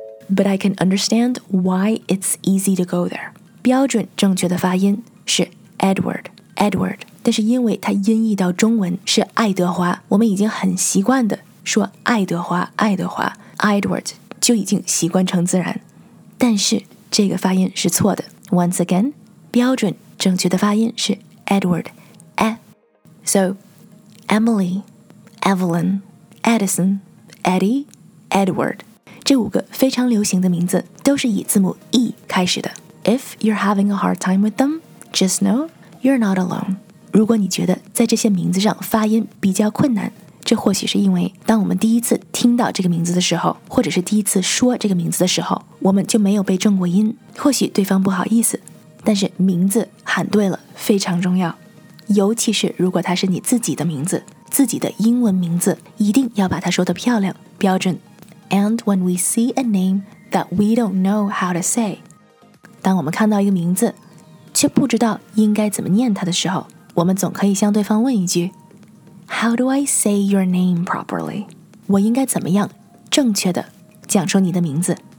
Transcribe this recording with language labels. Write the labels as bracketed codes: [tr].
[en] But I can understand why it's easy to go there. [zh] 标准正确的发音是 Edward, 但是因为它音译到中文是爱德华，我们已经很习惯的说爱德华 Edward 就已经习惯成自然。但是这个发音是错的。 [en] Once again, [zh] 标准正确的发音是Edward. [en] So, Emily, Evelyn, Edison, Eddie, Edward. [zh] 这五个非常流行的名字都是以字母 E 开始的。 [en] If you're having a hard time with them, just know you're not alone. [zh] 如果你觉得在这些名字上发音比较困难，这或许是因为当我们第一次听到这个名字的时候，或者是第一次说这个名字的时候，我们就没有被正过音，或许对方不好意思。但是名字喊对了非常重要，尤其是如果它是你自己的名字，自己的英文名字，一定要把它说得漂亮标准。 [en] And when we see a name that we don't know how to say, [zh] 当我们看到一个名字却不知道应该怎么念它的时候，我们总可以向对方问一句 [en] How do I say your name properly? [zh] 我应该怎么样正确的讲出你的名字？